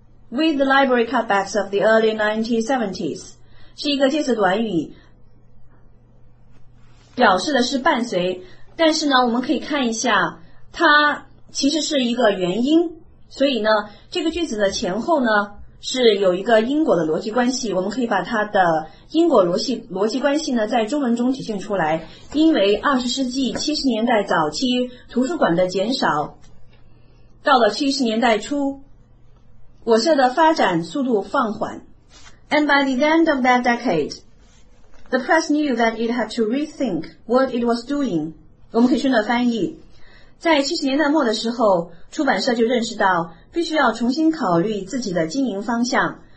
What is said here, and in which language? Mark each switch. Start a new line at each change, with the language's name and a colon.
English: With the library cutbacks of the early 1970s,
Chinese: 是一个介词短语，表示的是伴随，但是呢，我们可以看一下它其实是一个原因，所以呢这个句子的前后呢是有一个因果的逻辑关系，我们可以把它的因果逻辑关系呢在中文中体现出来。因为20世纪70年代早期图书馆的减少，到了70年代初我社的发展速度放缓。
English: And by the end of that decade, the press knew that it had to rethink what it was doing.
Chinese: 我们可以顺着翻译，在70年代末的时候，出版社就认识到必须要重新考虑自己的经营方向。